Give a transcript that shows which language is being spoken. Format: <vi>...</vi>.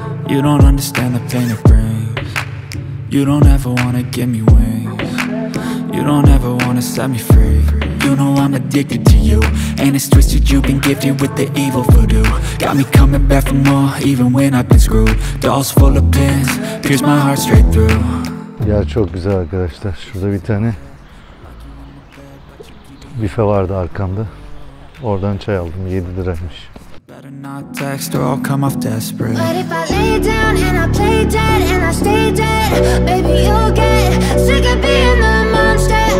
<en>You don't understand the pain it brings. You don't ever wanna give me wings. You don't ever wanna set me free. You know I'm addicted to you. And it's twisted, you've been gifted with the evil voodoo. Got me coming back for more, even when I've been screwed. Dolls full of pins, pierce my heart straight through.</en> <tr>Ya çok güzel arkadaşlar. Şurada bir tane büfe vardı arkamda.</tr> <en>Oradan çay aldım. 7 liraymış. Better not text or I'll come off desperate. But if I lay down and I play dead and I stay dead, baby you'll get sick of being the monster.</en>